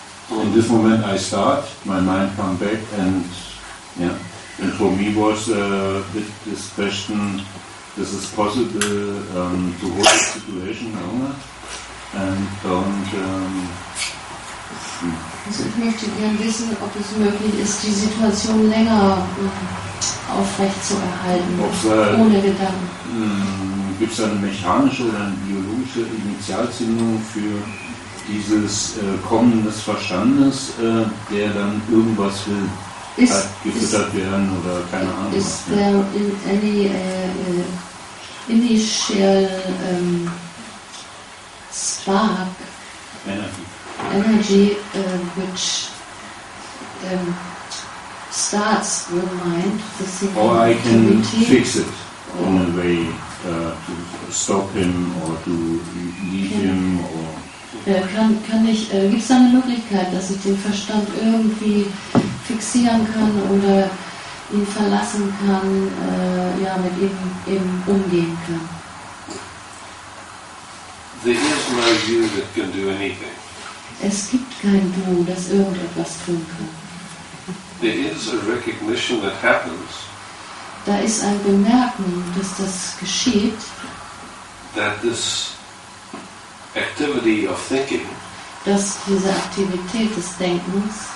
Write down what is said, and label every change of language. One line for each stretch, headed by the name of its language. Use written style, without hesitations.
English: In this moment I start, my mind comes back and yeah. And for me was this question, this is possible to hold the situation longer and don't
German: Also ich möchte gerne wissen, ob es möglich ist, die Situation länger aufrecht zu erhalten, ohne Gedanken. Gibt es eine mechanische oder eine biologische Initialzündung für dieses Kommen des Verstandes, der dann irgendwas will, gefüttert werden oder keine Ahnung.
English: Is there in any initial spark? Energy which starts the mind, the thinking. Or I can fix it in a way. To stop him or to leave him or
German: gibt es eine Möglichkeit, dass ich den Verstand irgendwie fixieren kann oder ihn verlassen kann, mit ihm eben umgehen kann?
English: There is no you that can do anything.
German: Es gibt kein Du, das irgendetwas tun kann.
English: There is a recognition that happens.
German: Da ist ein Bemerken, dass das geschieht.
English: That this activity of thinking,
German: dass diese Aktivität des Denkens